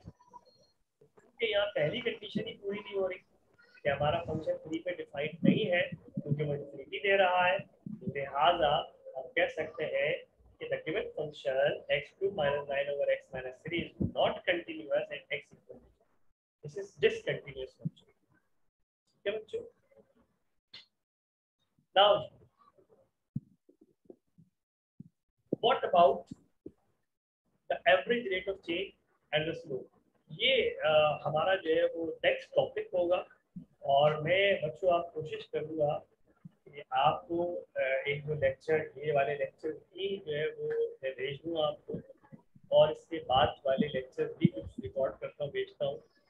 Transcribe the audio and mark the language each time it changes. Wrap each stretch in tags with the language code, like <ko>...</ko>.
<hi>क्योंकि यहाँ पहली कंडीशन ही पूरी नहीं हो रही कि हमारा फंक्शन 3 पे डिफाइंड नहीं है क्योंकि वो इंफिनिटी दे रहा है, लिहाजा हम कह सकते हैं कि</hi> <en>The given function x2 - 9 over x - 3 is not continuous at x equal to 2, this is discontinuous function. Now, what about the average rate of change and the slope?</en> <hi>ये हमारा जो है वो next topic होगा, और मैं बच्चों आप कोशिश करूँगा कि आपको एक जो लेक्चर ये वाले लेक्चर भी जो है वो मैं भेज दूँ आपको, और इसके बाद वाले लेक्चर भी कुछ रिकॉर्ड करता हूँ भेजता हूँ।</hi>